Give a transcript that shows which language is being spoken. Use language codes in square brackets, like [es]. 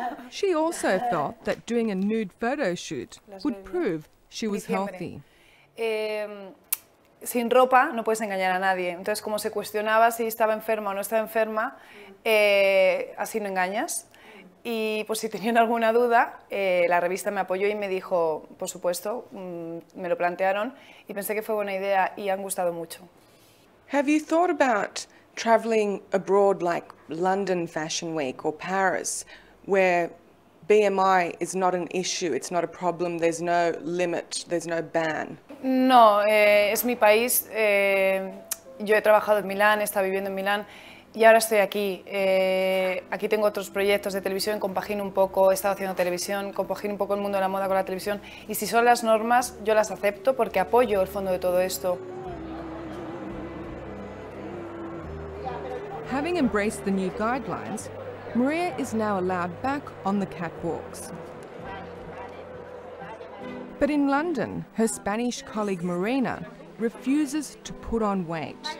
[en] She also thought that doing a nude photo shoot would prove she was healthy. [es] Sin ropa no puedes engañar a nadie. Entonces, como se cuestionaba si estaba enferma o no estaba enferma, así no engañas. Y pues si tenían alguna duda, la revista me apoyó y me dijo, por supuesto, me lo plantearon y pensé que fue buena idea y han gustado mucho. [en] Have you thought about traveling abroad like London Fashion Week or Paris, where BMI is not an issue, it's not a problem, there's no limit, there's no ban? [es] No, es mi país. Yo he trabajado en Milán, he estado viviendo en Milán y ahora estoy aquí. Aquí tengo otros proyectos de televisión, compagino un poco, he estado haciendo televisión, compagino un poco el mundo de la moda con la televisión y si son las normas, yo las acepto porque apoyo el fondo de todo esto. [en] Having embraced the new guidelines, Maria is now allowed back on the catwalks. But in London, her Spanish colleague Marina refuses to put on weight.